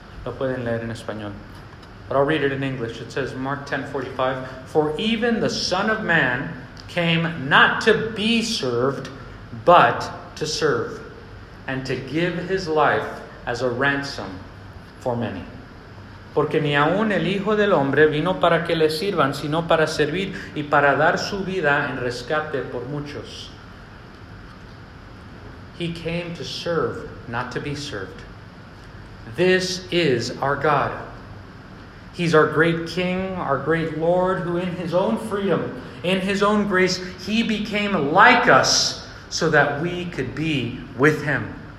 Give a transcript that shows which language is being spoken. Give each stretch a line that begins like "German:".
Spanish: Lo pueden leer en español.
English: But I'll read it in English. It says, Mark 10:45, for even the Son of Man came not to be served, but to serve, and to give his life as a ransom for many.
Spanish: Porque ni aun el Hijo del Hombre vino para que le sirvan, sino para servir y para dar su vida en rescate por muchos.
English: He came to serve, not to be served. This is our God. He's our great King, our great Lord, who in his own freedom, in his own grace, he became like us so that we could be with him.